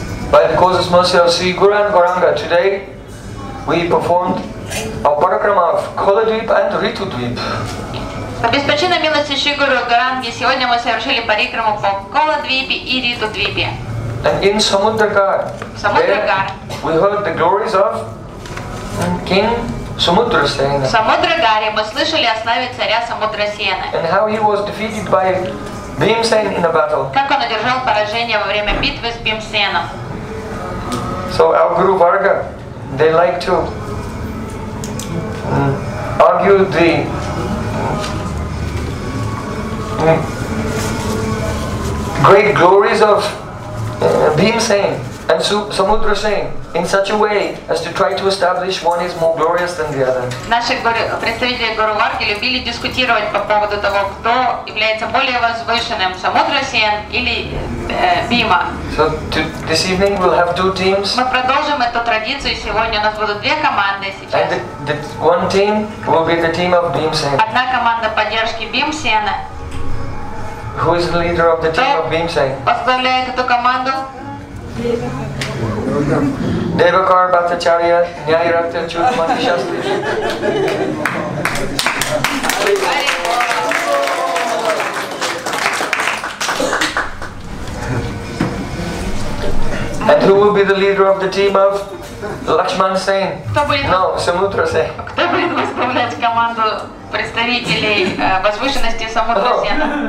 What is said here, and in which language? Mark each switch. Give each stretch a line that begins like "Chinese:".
English: By the causes mercy of Sri Guru and Gauranga, today we performed a parakrama of Kaladvip and Ritudvip.
Russian: Обеспечена милости Шри Гуру Гуранги, сегодня мы совершили парикраму по Каладвипе и Ритудвипе.
English: And in Samudragar, we heard the glories of King Samudrasena.
Russian: В Самудрагаре мы слышали о славе царя Самудрасена.
English: And how he was defeated by Bhimsen in a battle.
Russian: Как он одержал поражение во время битвы с Бхимсеном.
English: So our Guru Varga, they like to argue the great glories of Bhimsen and Samudrasen in such a way as to try to establish one is more glorious than the other.
Russian: Наши представители Гуру Варги любили дискутировать по поводу того, кто является более возвышенным, Самудрасен или Бима.
English: So this evening we'll have two teams.
Russian: Мы продолжим эту традицию сегодня. У нас будут две команды сейчас.
English: And the one team will be the team of Bhimsen.
Russian: Одна команда поддержки Бхимсена.
English: Who is the leader of the team of Bhimsen?
Russian: Возглавляет эту команду?
English: Devakar Bhattacharya Nyayarakta Chudmati Shastri. And who will be the leader of the team of Lakshman Sen? No, Samudra Sen.
Russian: Кто будет возглавлять команду представителей возвышенности Самудра Сена?